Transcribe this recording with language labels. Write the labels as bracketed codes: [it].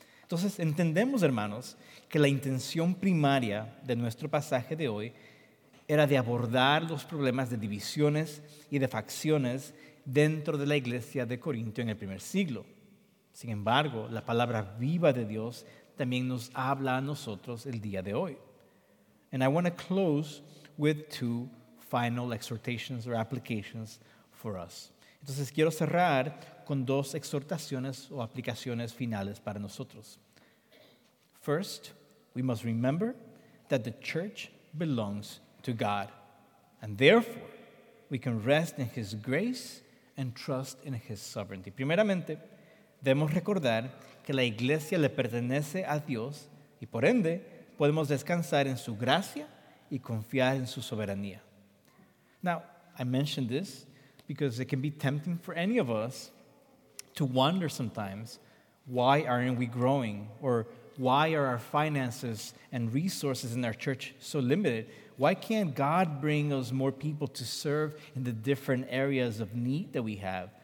[es] Entonces, entendemos, hermanos, que la intención primaria de nuestro pasaje de hoy era de abordar los problemas de divisiones y de facciones dentro de la iglesia de Corinto en el primer siglo. Sin embargo, la palabra viva de Dios también nos habla a nosotros el día de hoy. [en] And I want to close with two final exhortations or applications for us. [es] Entonces, quiero cerrar con dos exhortaciones o aplicaciones finales para nosotros. [en] First, we must remember that the church belongs to God, and therefore, we can rest in His grace and trust in His sovereignty. [es] Primeramente, debemos recordar que la iglesia le pertenece a Dios y por ende, podemos descansar en su gracia y confiar en su soberanía. [en] Now, I mention this because it can be tempting for any of us to wonder sometimes, why aren't we growing? Or why are our finances and resources in our church so limited? Why can't God bring us more people to serve in the different areas of need that we have?